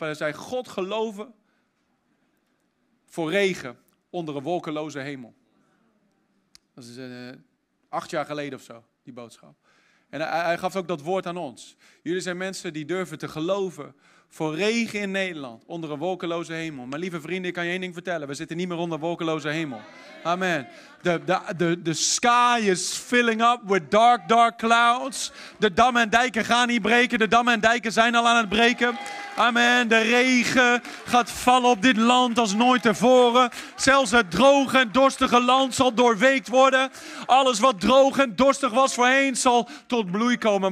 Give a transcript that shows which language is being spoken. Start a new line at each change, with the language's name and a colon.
Dutch: En hij zei, God geloven voor regen onder een wolkeloze hemel. Dat is 8 jaar geleden of zo, die boodschap. En hij gaf ook dat woord aan ons. Jullie zijn mensen die durven te geloven voor regen in Nederland onder een wolkeloze hemel. Mijn lieve vrienden, ik kan je één ding vertellen. We zitten niet meer onder een wolkeloze hemel. Amen.
English: The sky is filling up with dark, dark clouds.
Dutch: De dammen en dijken gaan niet breken. De dammen en dijken zijn al aan het breken. Amen. De regen gaat vallen op dit land als nooit tevoren. Zelfs het droge en dorstige land zal doorweekt worden. Alles wat droog en dorstig was voorheen zal tot bloei komen.